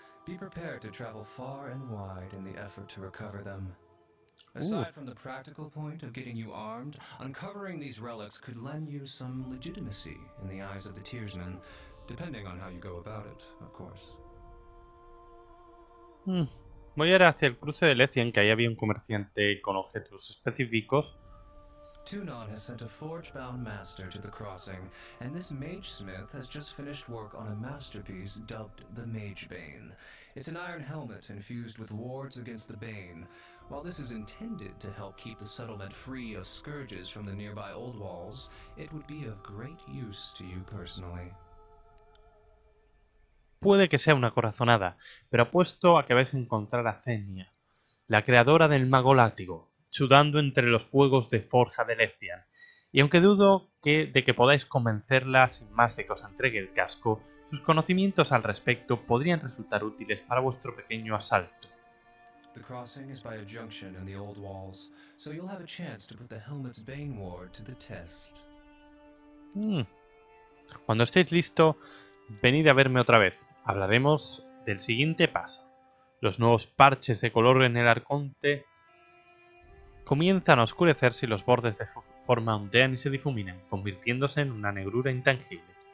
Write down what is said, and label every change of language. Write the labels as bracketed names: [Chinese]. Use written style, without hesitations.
[English] Be prepared to travel far and wide in the effort to recover them. Aside from the practical point of getting you armed, uncovering these relics could lend you some legitimacy in the eyes of the Tearsmen, depending on how you go about it, of course. [Spanish] Voy a ir hacia el cruce de Lethian, que ahí había un comerciante con objetos específicos. [English] Tunon has sent a forge-bound master to the crossing, and this mage smith has just finished work on a masterpiece dubbed the Mage Bane. It's an iron helmet infused with wards against the bane. While this is intended to help keep the settlement free of scourges from the nearby old walls, it would be of great use to you personally. [Spanish] Puede que sea una corazonada, pero apuesto a que vais a encontrar a Zenia, la creadora del mago látigo, sudando entre los fuegos de forja de Lethian. Y aunque dudo de que podáis convencerla sin más de que os entregue el casco, sus conocimientos al respecto podrían resultar útiles para vuestro pequeño asalto. [English] The crossing is by a junction in the old walls, so you'll have a chance to put the helmet's bane ward to the test. [Spanish] Cuando estéis listo, venid a verme otra vez. Hablaremos del siguiente paso. Los nuevos parches de color en el arconte comienzan a oscurecerse y los bordes de forma ondean y se difuminan, convirtiéndose en una negrura intangible.